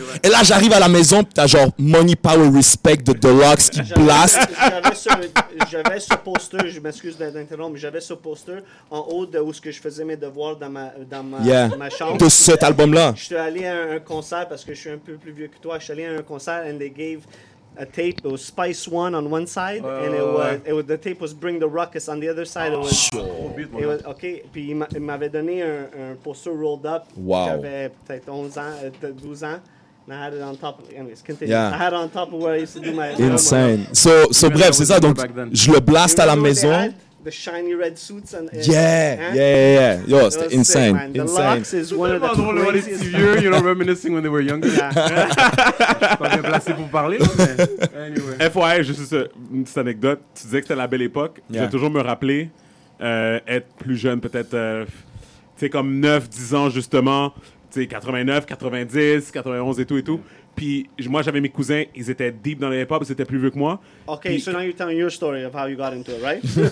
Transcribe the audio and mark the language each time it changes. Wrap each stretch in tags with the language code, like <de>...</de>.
<fr>Ouais. Et là, j'arrive à la maison, pis t'as genre Money, Power, Respect de Deluxe qui blast. J'avais ce poster, je m'excuse d'interrompre, j'avais ce poster en haut de où ce que je faisais mes devoirs dans ma chambre. De cet album-là. Je suis allé à un concert parce que je suis un peu plus vieux que toi. Je suis allé à un concert</fr> <en>and they gave a tape, it was Spice One on one side, and the tape was Bring the Ruckus on the other side. Oh, it was, sure. It was, okay,</en> <fr>puis il m'avait donné un poster</fr> <en>rolled up. Wow.</en> <fr>J'avais peut-être 11 ans, 12 ans.</fr> <en>And I had it on top. Anyways, continue. Yeah. I had it on top of where I used to do my...</en> <fr>Insane. So bref, c'est ça. Donc, je le blast à la maison.</fr> <en>The shiny red suits. And</en> <fr>Yeah. Yo, c'était insane.</fr> <en>Sick, the locks is one of the craziest. You're you know, reminiscing when they were younger.</en> <fr>Yeah. Pas bien placé pour parler. Anyway. FYI, juste une petite anecdote. Tu disais que c'était la belle époque. Yeah. Je vais toujours me rappeler être plus jeune, peut-être, tu sais, comme 9, 10 ans, justement. Tu sais, 89, 90, 91 et tout. Puis moi, j'avais mes cousins, ils étaient deep dans le hip-hop, ils étaient plus vieux que moi. OK, pis,</fr> <en>so now you're telling your story of how you got into it, right?</en>